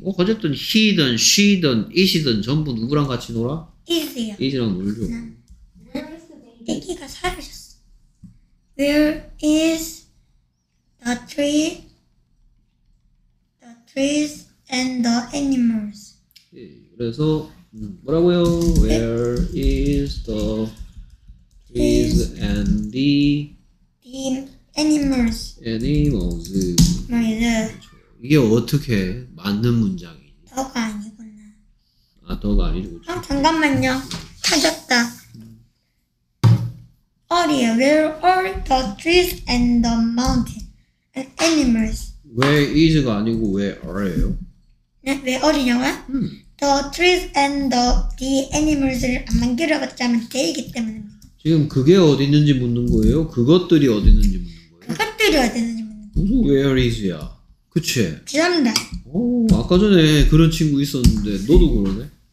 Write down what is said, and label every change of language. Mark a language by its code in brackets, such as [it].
[ko] 어, 어쨌든 he든 she든 it이든 전부 누구랑 같이 놀아? is요 it이랑 놀죠 [en] Where is the baby? [ko] 애기가 사라졌어 [en] Where is the tree? The trees and the animals [ko] 그래서 뭐라고요? [en] Where is the trees and the animals? Animals. [ko] 그렇죠. 이게 어떻게 맞는 문장이? 더가 아니구나. 아 더가 아니죠. 아 잠깐만요. 찾았다. 어디에? [en] Where are the trees and the mountain and animals? [ko] Where is가 아니고 where are예요? 네, 왜 어디냐고요? [en] The trees and the animals [ko] 를 안만 길어봤자면 돼이기 때문입니다. 지금 그게 어디 있는지 묻는 거예요? 그것들이 어디 있는지 묻는 거예요? 그것들이 해야 되는지 무슨 where is야? 그치? 죄송합니다. 오, 아까 전에 그런 친구 있었는데 너도 그러네?